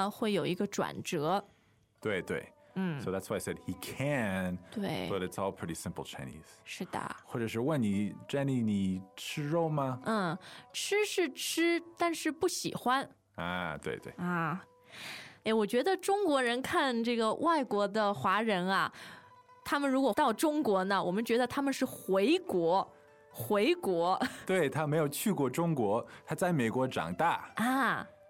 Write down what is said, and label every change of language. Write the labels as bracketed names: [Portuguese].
[Chinese] 没错，所以这个句式啊，就是说，你先表示同意，但是后面呢，会有一个转折。对对。 [English] So that's why I said he can, but it's all pretty simple Chinese. [Chinese] 是的。或者是问你, Jenny,你吃肉吗? 吃是吃,但是不喜欢。啊,对对。我觉得中国人看这个外国的华人啊,他们如果到中国呢,我们觉得他们是回国。对,他没有去过中国,他在美国长大。啊。